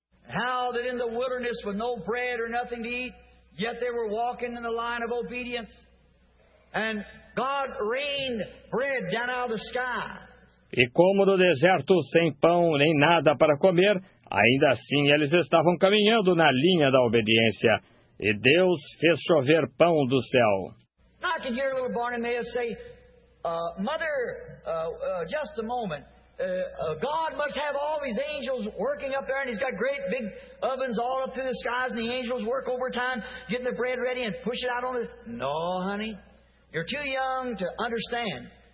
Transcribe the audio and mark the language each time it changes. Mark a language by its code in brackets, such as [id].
[en] How that in the wilderness with no bread or nothing to eat, yet they were walking in the line of obedience, and God rained bread down out of the sky. [pt] E como no deserto sem pão nem nada para comer, ainda assim eles estavam caminhando na linha da obediência. E Deus fez chover pão do céu. [en] I can hear little Bartimaeus say, Mother, just a moment. God must have all these angels working up there, and he's got great big ovens all up through the skies, and the angels work overtime, getting the bread ready and push it out on the... No, honey, you're too young to understand.